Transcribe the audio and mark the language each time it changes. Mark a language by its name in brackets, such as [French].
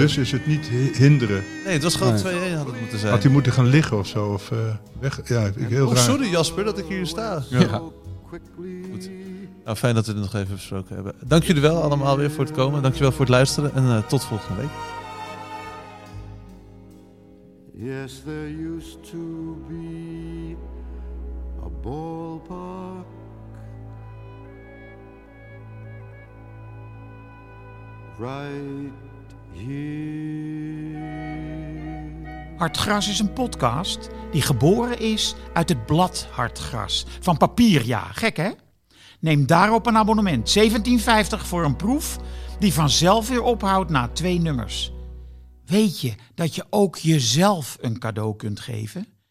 [Dutch] Dus is het niet hinderen. Nee, het was gewoon 2-1 had het moeten zijn. Had hij moeten gaan liggen of zo. Of weg. Ja, heel raar. Sorry Jasper dat ik hier sta. Ja. Goed. Nou, fijn dat we het nog even besproken hebben. Dank jullie wel allemaal weer voor het komen. Dank je wel voor het luisteren. En tot volgende week. [English] Yes, there used to be a ballpark right here. [Dutch] Hartgras is een podcast die geboren is uit het blad Hartgras. Van papier, ja. Gek, hè? Neem daarop een abonnement. €17,50 voor een proef die vanzelf weer ophoudt na 2 nummers. Weet je dat je ook jezelf een cadeau kunt geven?